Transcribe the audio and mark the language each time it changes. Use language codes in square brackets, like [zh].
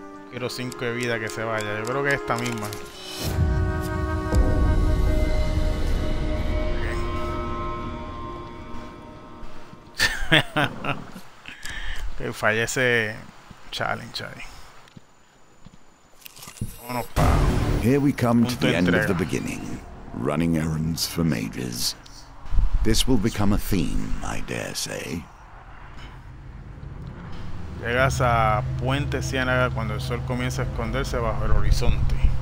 [es] Quiero 5 de vida que se vaya. Yo creo que esta misma. Okay. Okay, fallé ese challenge ahí. Vámonos para. [en] Here we come to the end of the beginning. Running errands for mages. This will become a theme, I dare say. [es] Llegas a Puente Ciénaga cuando el sol comienza a esconderse bajo el horizonte.